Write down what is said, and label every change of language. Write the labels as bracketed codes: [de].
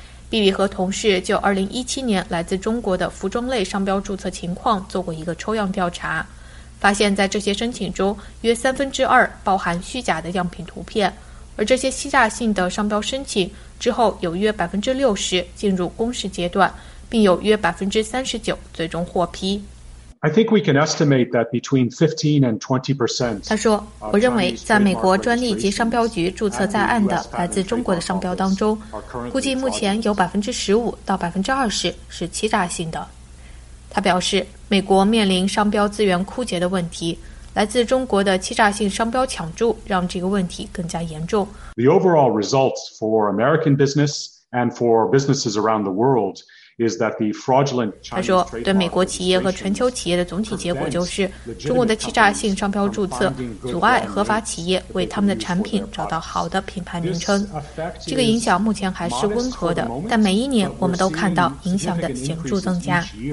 [zh] 比比和同事就2017年来自中国的服装类商标注册情况做过一个抽样调查，发现在这些申请中约2/3包含虚假的样品图片，而这些欺诈性的商标申请之后有约60%进入公示阶段，并有约39%最终获批。 [en] I think we can estimate that between 15% and 20%. [zh] 他说，我认为在美国专利及商标局注册在案的来自中国的商标当中，估计目前有15%到20%是欺诈性的。他表示，美国面临商标资源枯竭的问题，来自中国的欺诈性商标抢注让这个问题更加严重。 [en] The overall results for American business and for businesses around the world is that the fraudulent Chinese trademark registrations. [zh] 他说，对美国企业和全球企业的总体结果就是，中国的欺诈性商标注册阻碍合法企业为他们的产品找到好的品牌名称。这个影响目前还是温和的，但每一年我们都看到影响的显著增加。